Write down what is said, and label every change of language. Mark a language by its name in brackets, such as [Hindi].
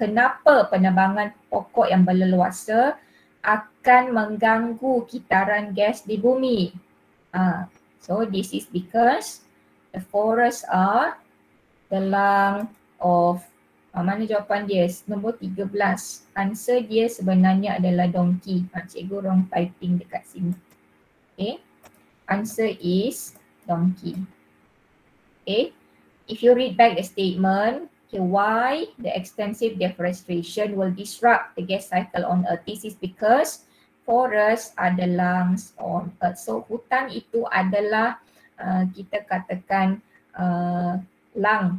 [Malay] Kenapa penebangan pokok yang berleluasa akan mengganggu kitaran gas di bumi? [English] So this is because the forests are the lung of. [Malay] Mana jawapan dia? Nombor 13. Answer dia sebenarnya adalah donkey. [English] Cikgu wrong typing [Malay] dekat sini. [English] Okay. Answer is donkey. Okay. If you read back the statement, okay, why the extensive deforestation will disrupt the gas cycle on earth? This is because forests are the lungs on earth. [Malay] So hutan itu adalah kita katakan lung.